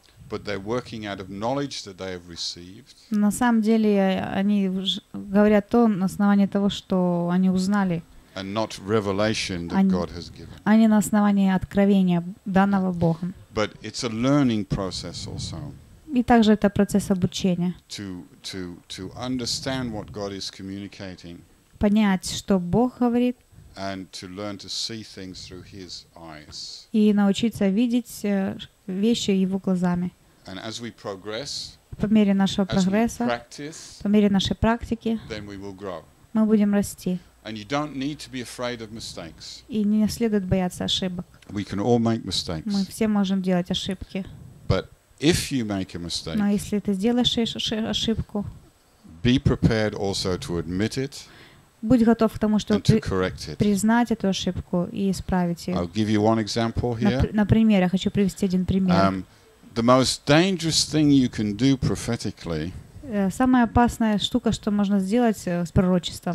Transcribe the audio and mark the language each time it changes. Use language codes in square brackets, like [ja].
[en] But they're working out of knowledge that they have received. [ru] На самом деле они говорят то на основании того, что они узнали. [en] And not revelation that God has given. [ru] А не на основании откровения данного Богом. [en] But it's a learning process also. [ru] И также это процесс обучения. [en] To understand what God is communicating. [ru] Понять, что Бог говорит. [en] And to learn to see things through His eyes. [ru] И научиться видеть вещи Его глазами. [en] And as we progress, [ru] по мере нашего прогресса, [en] as we practice, [ru] по мере нашей практики, [en] then we will grow. [ru] Мы будем расти. [en] And you don't need to be afraid of mistakes. [ru] И не следует бояться ошибок. [en] We can all make mistakes. [ru] Мы все можем делать ошибки. [en] But if you make a mistake, [ru] но если ты сделаешь ошибку, [en] be prepared also to admit it. [ru] Будь готов к тому, чтобы [en] and to correct it. [ru] Признать эту ошибку и исправить ее. [en] I'll give you one example here. [ru] На пример, я хочу привести один пример. [en] The most dangerous thing you can do prophetically. [ru] Самая опасная штука, что можно сделать с пророчеством.